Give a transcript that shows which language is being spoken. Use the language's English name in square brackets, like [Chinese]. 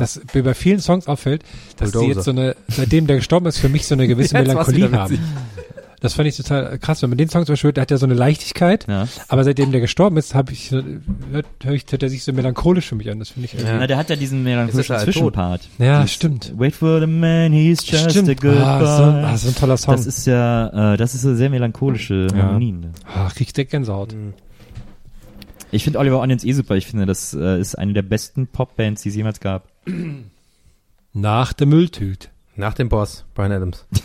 [German] Dass mir bei vielen Songs auffällt, dass sie jetzt seitdem der gestorben ist, für mich so eine gewisse Melancholie haben. Das fand ich total krass, wenn man den Song zum Beispiel hört, der hat ja so eine Leichtigkeit, aber seitdem der gestorben ist, hört er sich so melancholisch für mich an, das finde ich irgendwie. Ja, der hat ja diesen melancholischen Zwischenpart. Ja, stimmt. [English] Wait for the man, he's just a good boy. [German] So ein toller Song. Das ist ja, das ist so sehr melancholische Harmonien. Ja. Ach, krieg ich Gänsehaut. Ich finde Oliver Onions eh super, ich finde, das ist eine der besten Popbands, die es jemals gab. Nach der Mülltüte. Nach dem Boss, Bryan Adams.